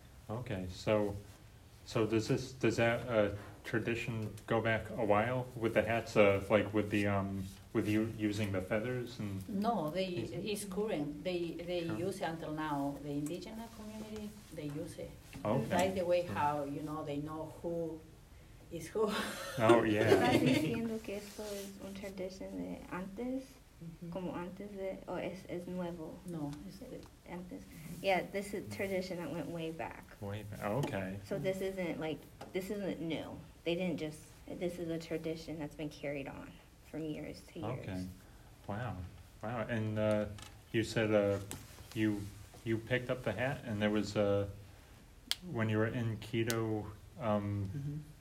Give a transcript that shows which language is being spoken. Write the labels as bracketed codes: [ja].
[en] Okay, so does that tradition go back a while with the hats, with you using the feathers? And no, it's current. They use it until now. The indigenous community, they use it. Okay. Like the way how, they know who is who. Oh, yeah. [es] Estás diciendo que esto es una tradición de antes, como antes de, o es nuevo? No, antes. [en] Yeah, this is a tradition that went way back. Okay. So this isn't new. This is a tradition that's been carried on from years to years. Okay. Wow. And you said you picked up the hat, and there was when you were in Quito, mm-hmm.